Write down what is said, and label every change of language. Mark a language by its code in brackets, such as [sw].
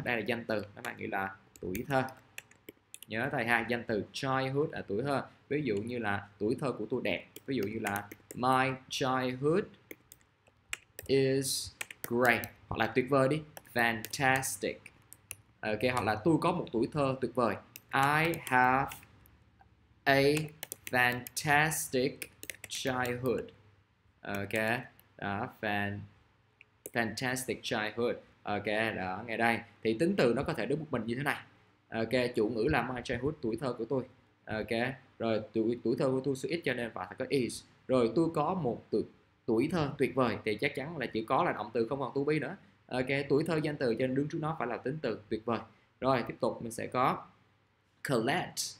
[vi] Đây là danh từ, các bạn nghĩ là tuổi thơ. Nhớ thầy ha, danh từ childhood là tuổi thơ. Ví dụ như là tuổi thơ của tôi đẹp. Ví dụ như là [en] my childhood is great, [vi] hoặc là tuyệt vời đi, fantastic. Ok, hoặc là tôi có một tuổi thơ tuyệt vời. [en] I have a fantastic childhood. Ok, đó, fantastic. fantastic childhood. [vi] Ok, đó, nghe đây. Thì tính từ nó có thể đứng một mình như thế này. Ok, chủ ngữ là [en] my childhood, [vi] tuổi thơ của tôi. Ok, rồi tuổi thơ của tôi số ít cho nên phải có is. Rồi tôi có một tuổi thơ tuyệt vời. Thì chắc chắn là chữ có là động từ, không còn to be nữa. Ok, tuổi thơ danh từ cho nên đứng trước nó phải là tính từ tuyệt vời. Rồi, tiếp tục mình sẽ có collect.